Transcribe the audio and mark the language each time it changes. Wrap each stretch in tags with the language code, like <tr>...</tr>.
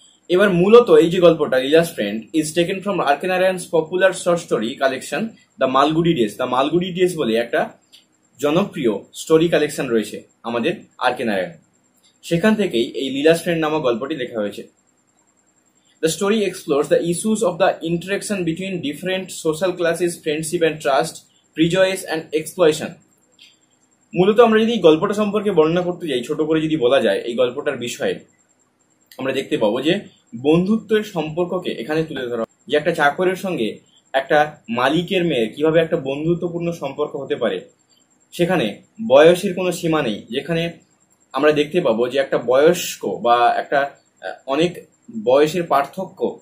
<bn>এবার মূলত এই যে গল্পটা</bn> <en>Leela's friend is taken from R K Narayan's popular short story collection the Malgudi Days.</en> <bn>The Malgudi days বলে একটা জনপ্রিয় স্টোরি কালেকশন রয়েছে আমাদের আর কে নারায়ণ, সেখান থেকেই এই লীলাস ফ্রেন্ড নামক গল্পটি লেখা হয়েছে।</bn> <en>The story explores the issues of the interaction between different social classes, friendship and trust, prejudice and exploitation.</en> <bn>মূলত আমরা যদি গল্পটা সম্পর্কে বর্ণনা করতে যাই, ছোট করে যদি বলা যায় এই গল্পটার বিষয়ে, আমরা দেখতে পাবো যে বন্ধুত্বের সম্পর্ককে এখানে তুলে ধরা, যে একটা চাকরের সঙ্গে একটা মালিকের মেয়ের কিভাবে একটা বন্ধুত্বপূর্ণ সম্পর্ক হতে পারে, সেখানে বয়সের কোনো সীমা নেই, যেখানে আমরা দেখতে পাবো যে একটা বয়স্ক বা একটা অনেক বয়সের পার্থক্য</bn>